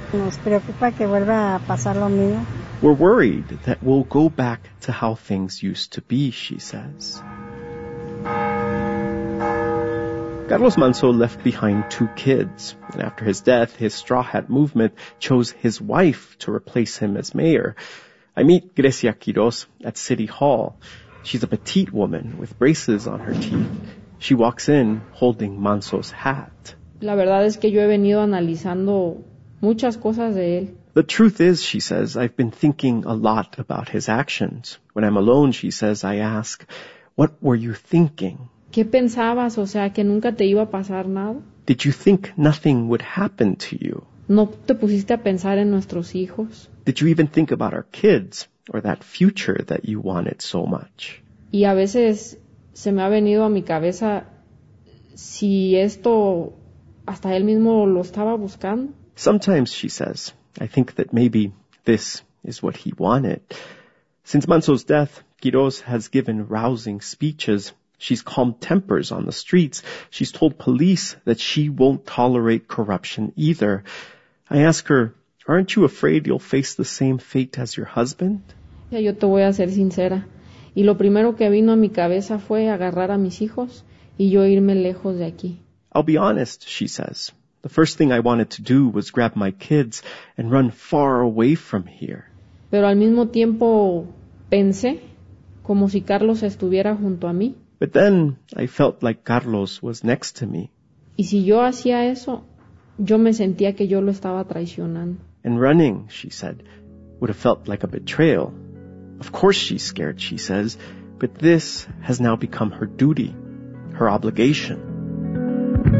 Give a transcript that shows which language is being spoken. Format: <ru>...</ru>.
<es>Nos preocupa que vuelva a pasar lo mismo.</es> <en>We're worried that we'll go back to how things used to be, she says. Carlos Manso left behind two kids. And after his death, his Straw Hat Movement chose his wife to replace him as mayor. I meet Grecia Quiroz at City Hall. She's a petite woman with braces on her teeth. She walks in holding Manso's hat.</en> <es>La verdad es que yo he venido analizando muchas cosas de él.</es> <en>The truth is, she says, I've been thinking a lot about his actions. When I'm alone, she says, I ask, what were you thinking?</en> <es>¿Qué pensabas? O sea, que nunca te iba a pasar nada.</es> <en>Did you think nothing would happen to you?</en> <es>¿No te pusiste a pensar en nuestros hijos?</es> <en>Did you even think about our kids or that future that you wanted so much?</en> <es>Y a veces se me ha venido a mi cabeza si esto... Hasta él mismo lo estaba buscando.</es> <en>Sometimes, she says, I think that maybe this is what he wanted. Since Manso's death, Quiroz has given rousing speeches. She's calmed tempers on the streets. She's told police that she won't tolerate corruption either. I ask her, aren't you afraid you'll face the same fate as your husband? Yeah,</en> <es>yo te voy a ser sincera. Y lo primero que vino a mi cabeza fue agarrar a mis hijos y yo irme lejos de aquí.</es> <en>I'll be honest, she says. The first thing I wanted to do was grab my kids and run far away from here.</en> <es>Pero al mismo tiempo pensé como si Carlos estuviera junto a mí.</es> <en>But then I felt like Carlos was next to me.</en> <es>Y si yo hacía eso, yo me sentía que yo lo estaba traicionando.</es> <en>And running, she said, would have felt like a betrayal. Of course she's scared, she says, but this has now become her duty, her obligation.</en>